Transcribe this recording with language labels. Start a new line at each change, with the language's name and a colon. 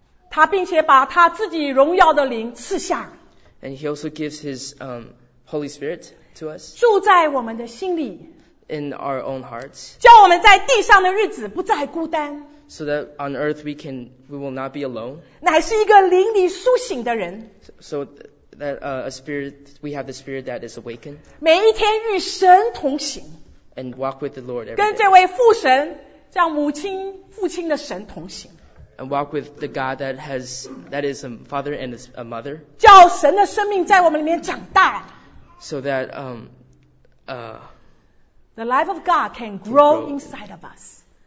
Chinese: 他并且把他自己荣耀的灵赐下,
English: and he also gives his Holy Spirit to us.
Chinese: 住在我们的心里,
English: in our own hearts.
Chinese: 叫我们在地上的日子不再孤单,
English: so that on earth we will not be alone.
Chinese: 乃是一个灵里苏醒的人,
English: so that we have the Spirit that is awakened.
Chinese: 每一天与神同行,
English: and walk with the Lord every
Chinese: 跟这位父神, 像母亲父亲的神同行,
English: and walk with the God that is a father and a mother.
Chinese: 叫神的生命在我们里面长大,
English: so that the life of God can grow inside of us.